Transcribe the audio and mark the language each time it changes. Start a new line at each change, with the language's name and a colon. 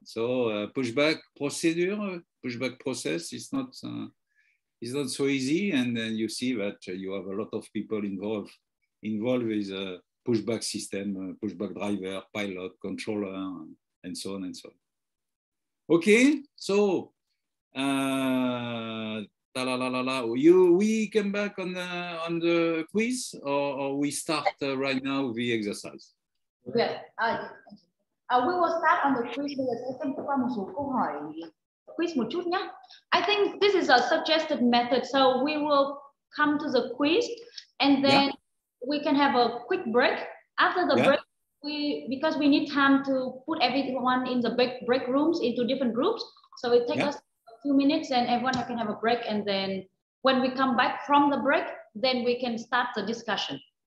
English: So pushback procedure, pushback process is not so easy, and then you see that you have a lot of people involved with a pushback system, pushback driver, pilot, controller, and so on and so on. Okay, so we come back on the quiz, or we start right now the exercise? Yeah, we will start on the quiz.
Vietnamese: Bây giờ sẽ xem qua một số câu hỏi quiz một chút nhé.
English: I think this is a suggested method, so we will come to the quiz, and then yeah, we can have a quick break. After the break, because we need time to put everyone in the break rooms into different groups, so it takes us 2 minutes and everyone can have a break, and then when we come back from the break, then we can start the discussion.